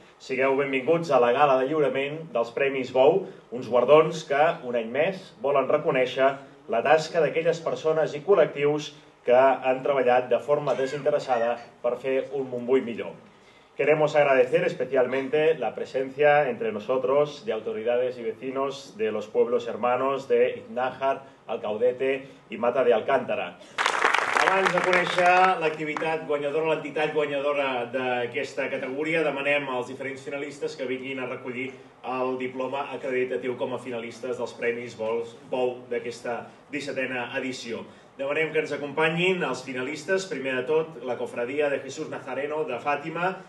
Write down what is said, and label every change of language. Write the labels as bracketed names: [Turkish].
[Catalan] Sigueu benvinguts a la gala de lliurament dels Premis Bou, uns guardons que, un any més, volen reconèixer la tasca d'aquelles persones i col·lectius que han treballat de forma desinteressada per fer un Montbui millor. [Spanish] Queremos agradecer especialmente la presencia entre nosotros de autoridades y vecinos de los pueblos hermanos de Iznájar, Alcaudete y Mata de Alcántara. [Catalan] Abans de conèixer l'activitat guanyadora, l'entitat guanyadora d'aquesta categoria, demanem als diferents finalistes que vinguin a recollir el diploma acreditatiu com a finalistes dels Premis Bou d'aquesta 17a edició. Demanem que ens acompanyin els finalistes. Primer de tot, la cofradia de Jesús Nazareno de Fàtima.